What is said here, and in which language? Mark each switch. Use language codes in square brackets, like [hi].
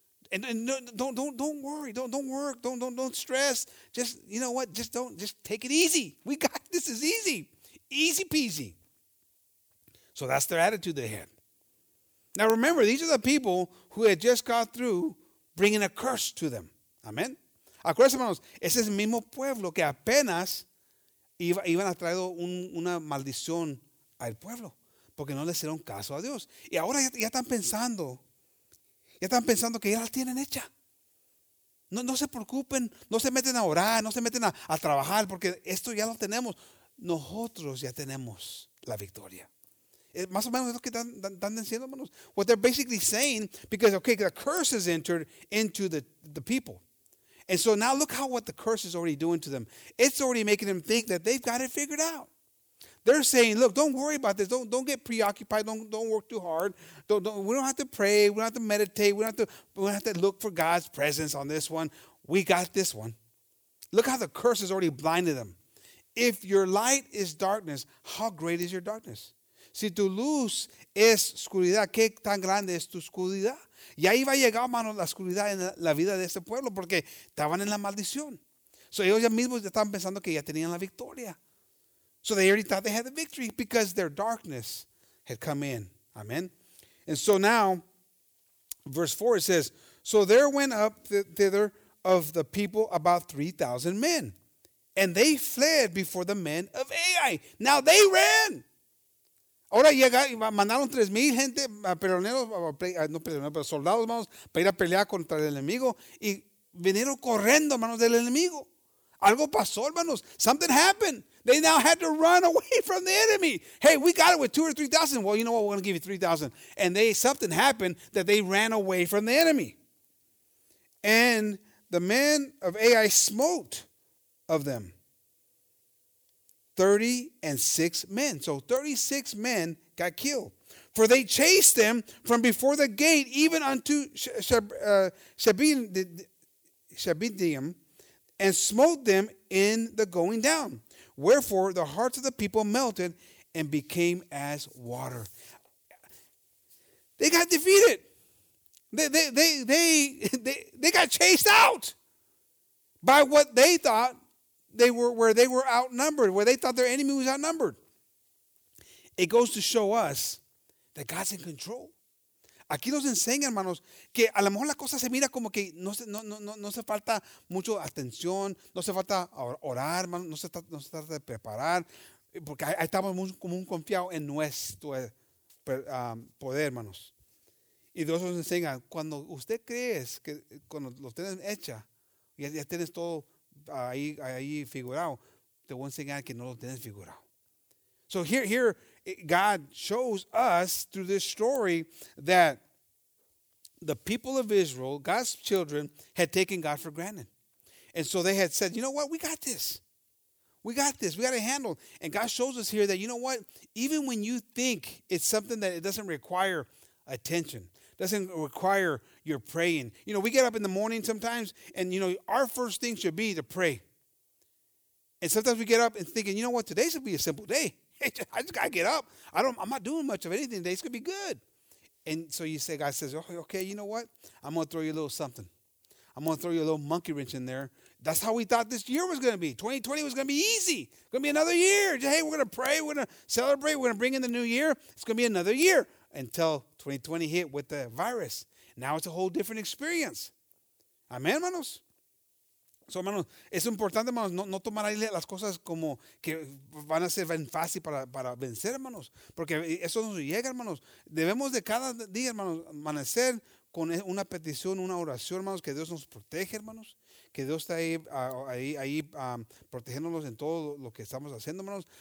[en] And don't worry. Don't work. Don't stress. Just, you know what? Just take it easy. We got this. Is easy. Easy peasy. So that's their attitude they had. Now remember, these are the people who had just got through bringing a curse to them. Amen. [es] Acuérdense, hermanos, ese es el mismo pueblo que apenas iban a traer una maldición al pueblo porque no le hicieron caso a Dios. Y ahora ya están pensando. Ya están pensando que ya la tienen hecha. No se preocupen, no se meten a orar, no se meten a trabajar, porque esto ya lo tenemos. Nosotros ya tenemos la victoria. Más o menos es lo que están diciendo, hermanos. [en] What they're basically saying, because, okay, the curse has entered into the people. And so now look how what the curse is already doing to them. It's already making them think that they've got it figured out. They're saying, look, don't worry about this. Don't get preoccupied. Don't work too hard. We don't have to pray. We don't have to meditate. We don't have to look for God's presence on this one. We got this one. Look how the curse has already blinded them. If your light is darkness, how great is your darkness? [es] Si tu luz es oscuridad, ¿qué tan grande es tu oscuridad? Y ahí va a llegar, mano, la oscuridad en la vida de este pueblo porque estaban en la maldición. So ellos ya mismos estaban pensando que ya tenían la victoria. [en] So they already thought they had the victory because their darkness had come in. Amen. And so now, verse 4, it says, so there went up thither of the people about 3,000 men, and they fled before the men of Ai. Now they ran. [es] Ahora llegaron, mandaron 3,000 gente, soldados, hermanos, para ir a pelear contra el enemigo, y vinieron corriendo, hermanos, del enemigo. Algo pasó, hermanos. [en] Something happened. They now had to run away from the enemy. Hey, we got it with 2,000 or 3,000. Well, you know what? We're going to give you 3,000. And something happened that they ran away from the enemy. And the men of Ai smote of them 36 men. So 36 men got killed. For they chased them from before the gate, even unto Shabidim, and smote them in the going down. Wherefore, the hearts of the people melted and became as water. They got defeated. They got chased out by what they thought they were, where they were outnumbered, where they thought their enemy was outnumbered. It goes to show us that God's in control. [es] Aquí nos enseña, hermanos, que a lo mejor la cosa se mira como que no se falta mucho atención, no se falta orar, hermanos, no se trata de preparar, porque ahí estamos muy, muy confiados en nuestro poder, hermanos. Y Dios nos enseña, cuando usted crees que cuando lo tienes hecha, ya tienes todo ahí figurado, te voy a enseñar que no lo tienes figurado. [en] So here God shows us through this story that the people of Israel, God's children, had taken God for granted. And so they had said, you know what? We got this. We got this. We got it handled. And God shows us here that, you know what? Even when you think it's something that it doesn't require attention, doesn't require your praying. You know, we get up in the morning sometimes and, you know, our first thing should be to pray. And sometimes we get up and thinking, you know what? Today should be a simple day. I just got to get up. I'm not doing much of anything today. It's going to be good. And so you say, God says, oh, okay, you know what? I'm going to throw you a little something. I'm going to throw you a little monkey wrench in there. That's how we thought this year was going to be. 2020 was going to be easy. It's going to be another year. Just, hey, we're going to pray. We're going to celebrate. We're going to bring in the new year. It's going to be another year until 2020 hit with the virus. Now it's a whole different experience. Amen, hermanos? [es] So, hermanos, es importante, hermanos, no tomar ahí las cosas como que van a ser fácil para vencer, hermanos, porque eso nos llega, hermanos. Debemos de cada día, hermanos, amanecer con una petición, una oración, hermanos, que Dios nos protege, hermanos, que Dios está ahí protegiéndonos en todo lo que estamos haciendo, hermanos.